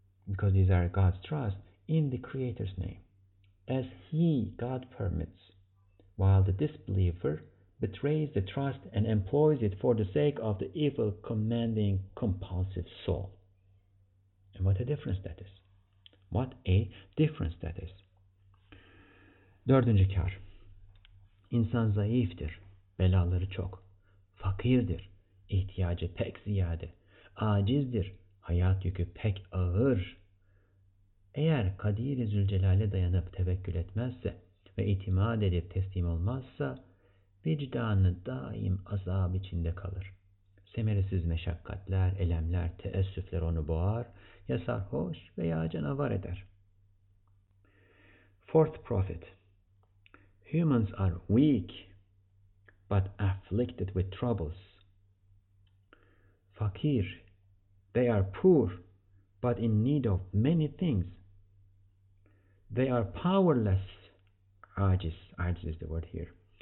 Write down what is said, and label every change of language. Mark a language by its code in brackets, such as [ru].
[en] because these are God's trust, in the Creator's name, as he, God, permits, while the disbeliever betrays the trust and employs it for the sake of the evil commanding compulsive soul. And what a difference that is. What a difference that is. [tr] Dördüncü kar. İnsan zayıftır, belaları çok. Fakirdir, ihtiyacı pek ziyade. Acizdir, hayat yükü pek ağır. Eğer Kadir-i Zülcelal'e dayanıp tevekkül etmezse ve itimat edip teslim olmazsa, vicdanı daim azab içinde kalır. Semeresiz meşakkatler, elemler, teessüfler onu boğar, ya sarhoş veya canavar eder. [en] Fourth Prophet. Humans are weak, but afflicted with troubles. Fakir, they are poor, but in need of many things. They are powerless, aciz is the word here.